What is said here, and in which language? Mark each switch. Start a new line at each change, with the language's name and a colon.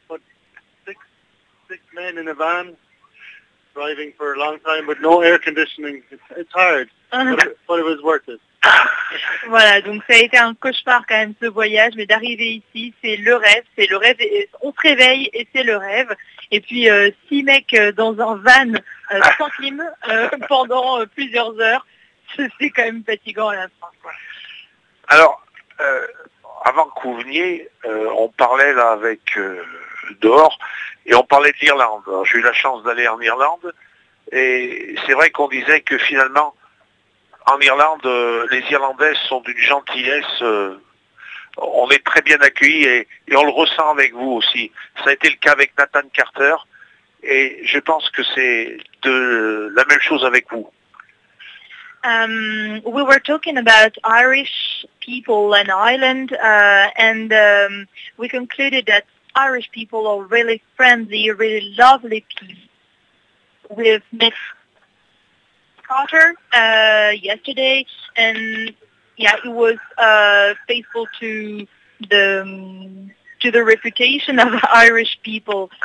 English: But six men in a van driving for a long time with no air conditioning. It's hard, but it was worth it.
French: Voilà, donc ça a été un cauchemar quand même ce voyage, mais d'arriver ici, c'est le rêve. C'est le rêve. On se réveille et c'est le rêve. Et puis six mecs dans un van sans clim pendant plusieurs heures, c'est quand même fatigant à la fin. Alors, avant que vous veniez, on parlait là avec dehors et on parlait de l'Irlande. Alors, j'ai eu la chance d'aller en Irlande et c'est vrai qu'on disait que finalement, en Irlande, les Irlandais sont d'une gentillesse, on est très bien accueillis et on le ressent avec vous aussi. Ça a été le cas avec Nathan Carter et je pense que c'est la même chose avec vous.
English: We were talking about Irish people and Ireland, and we concluded that Irish people are really friendly, really lovely people. We've met Carter yesterday, and yeah, he was faithful to the reputation of Irish people.